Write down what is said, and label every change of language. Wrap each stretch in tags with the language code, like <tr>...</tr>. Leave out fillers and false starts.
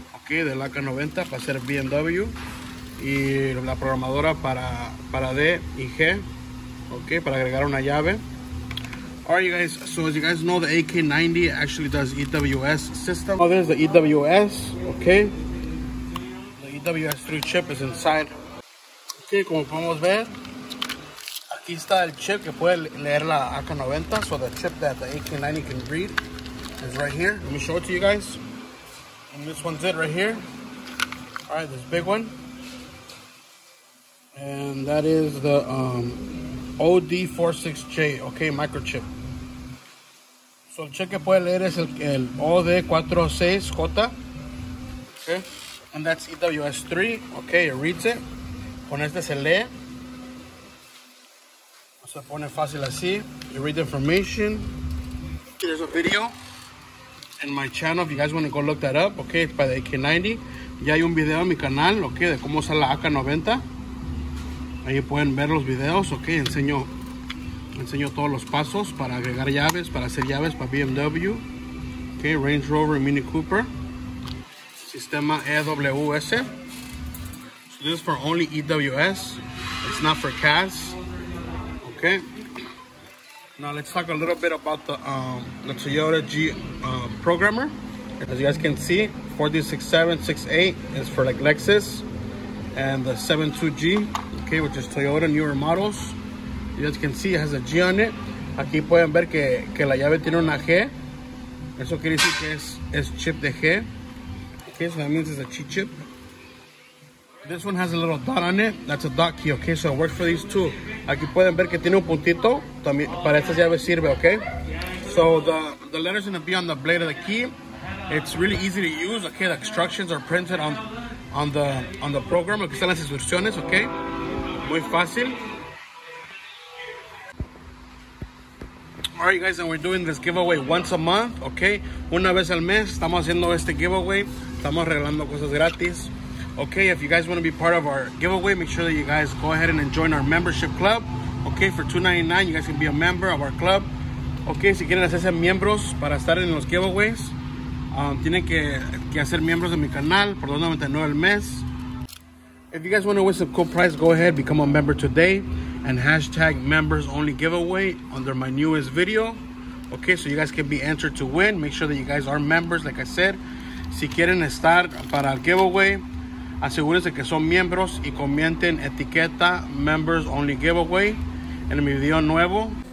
<es>Okay, del AK90 para ser BMW y la programadora para D y G. Okay, para agregar una llave.</es> <en>Alright, you guys, so as you guys know, the AK90 actually does EWS system. Oh, there's the EWS, okay. The EWS3 chip is inside.</en> <es>Okay, como podemos ver, aquí está el chip que puede leer la AK90.</es> <en>So the chip that the AK90 can read is right here. Let me show it to you guys. And this one's it right here. Alright, this big one. And that is the OD46J, okay, microchip.</en> <es>So, el chip que puede leer es el OD46J.</es> <en>Okay. And that's EWS3. Okay, it reads it.</en> <es>Con este se lee. O se pone fácil así.</es> <en>You read the information. There's a video in my channel if you guys want to go look that up. Okay, it's by the AK90.</en> <es>Ya hay un video en mi canal, okay, de cómo usar la AK90. Ahí pueden ver los videos, ok, enseño todos los pasos para agregar llaves, para hacer llaves para BMW, ok, Range Rover, Mini Cooper, sistema EWS.</es> <en>So this is for only EWS, it's not for CAS, ok. Now let's talk a little bit about the Toyota G programmer. As you guys can see, 46768 is for like Lexus, and the 72G. Okay, which is Toyota newer models. You guys can see it has a G on it.</en> <es>Aquí pueden ver que la llave tiene una G. Eso quiere decir que es chip de G.</es> <en>Okay, so that means it's a cheat chip. This one has a little dot on it. That's a dot key, okay? So it works for these two.</en> <es>Aquí pueden ver que tiene un puntito. También para estas llaves sirve, okay?</es> <en>So the letters are going to be on the blade of the key. It's really easy to use, okay? The instructions are printed on the program.</en> <es>Aquí están las instrucciones, okay? Muy fácil.</es> <en>Alright, guys, and we're doing this giveaway once a month, okay?</en> <es>Una vez al mes, estamos haciendo este giveaway. Estamos regalando cosas gratis.</es> <en>Okay, if you guys want to be part of our giveaway, make sure that you guys go ahead and join our membership club. Okay, for $2.99, you guys can be a member of our club.</en> <es>Okay, si quieren hacerse miembros para estar en los giveaways, tienen que hacer miembros de mi canal por $2.99 al mes.</es> <en>If you guys want to win some cool prize, go ahead, become a member today and hashtag members only giveaway under my newest video. Okay, so you guys can be entered to win. Make sure that you guys are members, like I said.</en> <es>Si quieren estar para el giveaway, asegúrense que son miembros y comenten etiqueta members only giveaway en mi video nuevo.</es>